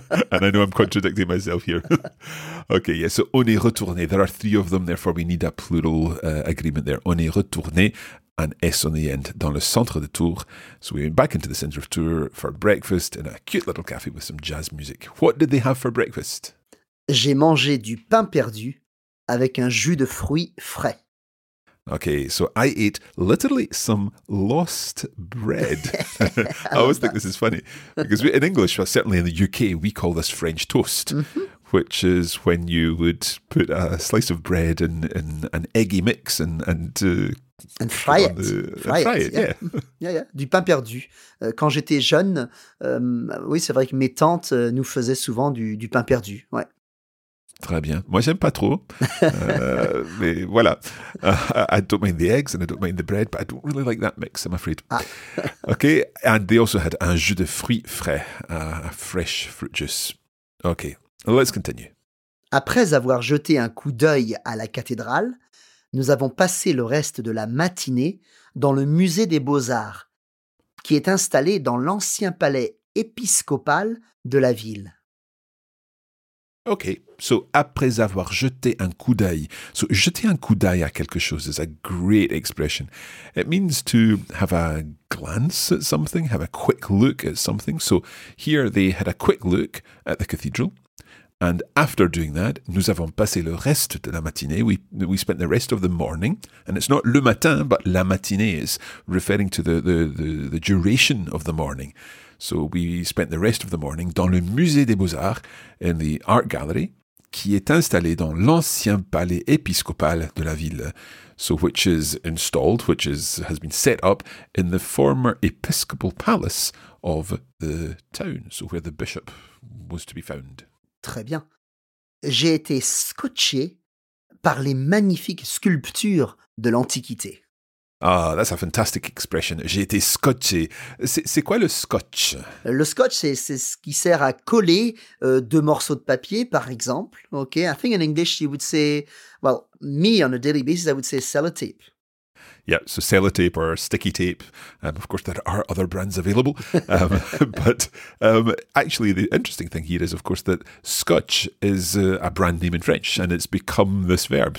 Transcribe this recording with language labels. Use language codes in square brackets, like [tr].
[en] And I know I'm contradicting myself here. Okay, yeah, so [fr] on est retourné. [en] There are three of them, therefore we need a plural agreement there. [fr] On est retourné, [en] an S on the end, [fr] dans le centre de Tours. [en] So we went back into the centre of Tours for breakfast in a cute little café with some jazz music. What did they have for breakfast? [fr] J'ai mangé du pain perdu avec un jus de fruits frais. [en] Okay, so I ate literally some lost bread. I always think this is funny because in English, well, certainly in the UK, we call this French toast, which is when you would put a slice of bread in an eggy mix and fry it. Fry it, yeah. [fr] Yeah. Du pain perdu. Quand j'étais jeune, oui, c'est vrai que mes tantes nous faisaient souvent du pain perdu, ouais. Très bien. Moi, j'aime pas trop. mais voilà. [en] I don't mind the eggs and I don't mind the bread, but I don't really like that mix, I'm afraid. Ah. Okay. And they also had [fr] un jus de fruits frais, [en] a fresh fruit juice. Okay. Let's continue. [fr] Après avoir jeté un coup d'œil à la cathédrale, nous avons passé le reste de la matinée dans le musée des Beaux-Arts, qui est installé dans l'ancien palais épiscopal de la ville. Okay, so après avoir jeté un coup d'œil, so jeter un coup d'œil à quelque chose [en] is a great expression. It means to have a glance at something, have a quick look at something. So here they had a quick look at the cathedral. And after doing that, [fr] nous avons passé le reste de la matinée. [en] We spent the rest of the morning. And it's not le matin, but la matinée is referring to the duration of the morning. So we spent the rest of the morning dans le Musée des Beaux-Arts in the art gallery. [fr] qui est installé dans l'ancien palais épiscopal de la ville. [en] So which is installed, which is has been set up in the former episcopal palace of the town, so where the bishop was to be found. [fr] Très bien. J'ai été scotché par les magnifiques sculptures de l'Antiquité. [en] Ah, that's a fantastic expression. [fr] J'ai été scotché. C'est quoi le scotch? Le scotch, c'est ce qui sert à coller deux morceaux de papier, par exemple. [en] Okay, I think in English you would say, well, me on a daily basis, I would say sellotape. Yeah, so sellotape or sticky tape. Of course, there are other brands available. but actually, the interesting thing here is, of course, that scotch is a brand name in French, and it's become this verb.